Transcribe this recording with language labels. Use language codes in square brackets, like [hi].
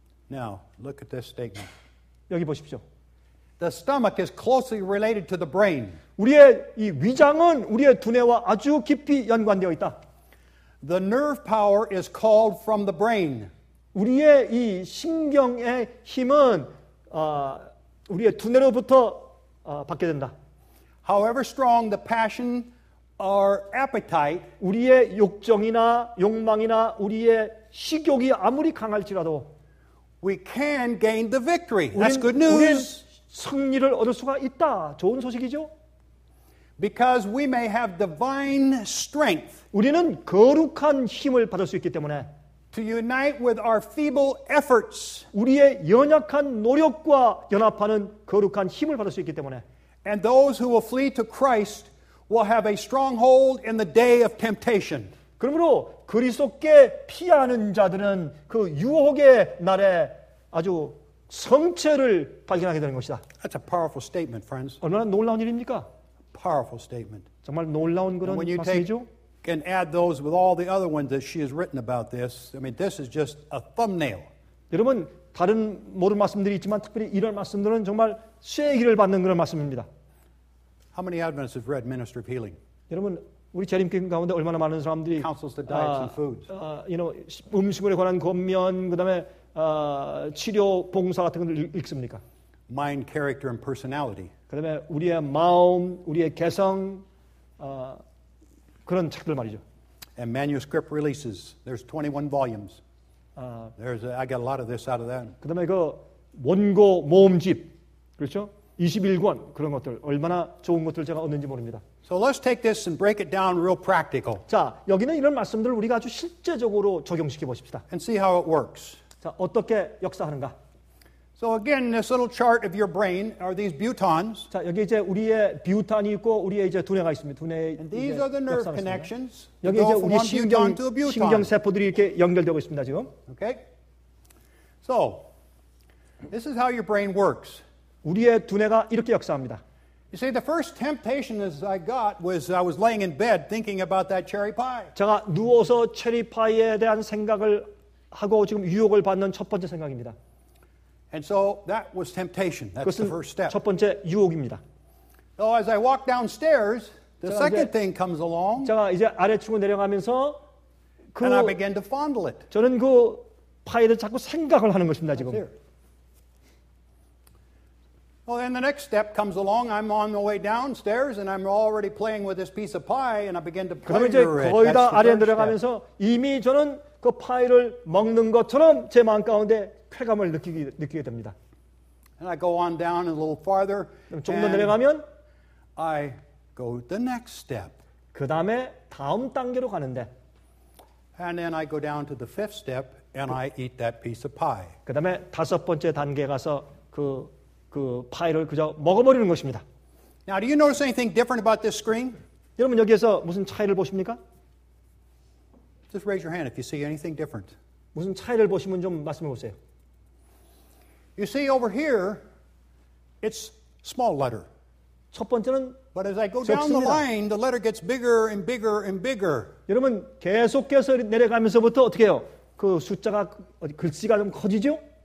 [en] Now, look at this statement. [ko] 여기 보십시오. [en] The stomach is closely related to the brain. [ko] 우리의 이 위장은 우리의 두뇌와 아주 깊이 연관되어 있다. [en] The nerve power is called from the brain. [ko] 우리의 이 신경의 힘은 우리의 두뇌로부터 받게 된다. [en] However strong the passion or appetite, [ko] 우리의 욕정이나 욕망이나 우리의 식욕이 아무리 강할지라도 [en] we can gain the victory. That's good news. [ko] 승리를 얻을 수가 있다. 좋은 소식이죠. [en] Because we may have divine strength. [ko] 우리는 거룩한 힘을 받을 수 있기 때문에 [en] to unite with our feeble efforts. [ko] 우리의 연약한 노력과 연합하는 거룩한 힘을 받을 수 있기 때문에 [en] and those who will flee to Christ will have a stronghold in the day of temptation. [ko] 그러므로 그리스도께 피하는 자들은 그 유혹의 날에 아주 성체를 발견하게 되는 것이다. [en] That's a powerful statement, friends. [ko] 얼마나 놀라운 일입니까? [en] Powerful statement. [ko] 정말 놀라운 그런 말씀이죠. [en] can add those with all the other ones that she has written about this. I mean, this is just a thumbnail. [ko] 여러분, 다른 모든 말씀들이 있지만 특별히 이런 말씀들은 정말 쇠기를 받는 그런 말씀입니다. [en] How many Adventists have read Ministry of Healing? [ko] 여러분, 우리 재림교회 가운데 얼마나 많은 사람들이 [en] Counsels to diets and foods. You know, [ko] 음식물에 관한 권면, 그다음에 치료 봉사 같은 것을 읽습니까? [en] Mind, character, and personality. [ko] 그다음에 우리의 마음, 우리의 개성, 그런 책들 말이죠. [en] And manuscript releases. There's 21 volumes. There's I got a lot of this out of that. [ko] 그다음에 그 원고 모음집, 그렇죠? 21권 그런 것들 얼마나 좋은 것들 제가 얻는지 모릅니다. [en] So let's take this and break it down real practical. [ko] 자, 여기는 이런 말씀들을 우리가 아주 실제적으로 적용시켜 보십시다. [en] And see how it works. [ko] 자, 어떻게 역사하는가? [en] So again, this little chart of your brain are these butons. [ko] 자, 여기 이제 우리의 뷰탄이 있고 우리의 이제 두뇌가 있습니다. 두뇌의 [en] And these are the nerve connections. [ko] 여기 이제 우리 신경 세포들이 이렇게 연결되고 있습니다, 지금. [en] Okay? So this is how your brain works. [ko] 우리의 두뇌가 이렇게 역사합니다. [en] You see, the first temptation as I got was I was laying in bed thinking about that cherry pie. [ko] 제가 누워서 체리 파이에 대한 생각을 하고 지금 유혹을 받는 첫 번째 생각입니다. [en] And so that was temptation. That's the first step. [ko] 첫 번째 유혹입니다. [en] So as I walk downstairs, the second thing comes along. [ko] 제가 이제 아래층으로 내려가면서 그 [en] And I began to fondle it. [ko] 저는 그 파이를 자꾸 생각을 하는 것입니다, 지금. [en] Well, then the next step comes along. I'm on the way downstairs, and I'm already playing with this piece of pie, and I begin to pleasure it. [ko] 그러면 이제 거의 다 아래 내려가면서 이미 저는 그 파이를 먹는 것처럼 제 마음 가운데 쾌감을 느끼게 됩니다. [en] And I go on down a little farther. [ko] 좀 더 내려가면 [en] I go the next step. [ko] 그 다음에 다음 단계로 가는데. [en] And then I go down to the fifth step, and I eat that piece of pie. [ko] 그 다음에 다섯 번째 단계 가서 그 파일을 그저 먹어버리는 것입니다. [en] Now, do you notice anything different about this screen? [ko] 여러분 여기에서 무슨 차이를 보십니까? [en] Just raise your hand if you see anything different. [ko] 무슨 차이를 보시면 좀 말씀해 보세요. [en] You see over here, it's small letter. [ko] 첫 번째는 [en] But as I go down the line, the letter gets bigger and bigger and bigger. [ko] 여러분 계속해서 내려가면서부터 어떻게 해요? 그 숫자가 글씨가 좀 커지죠?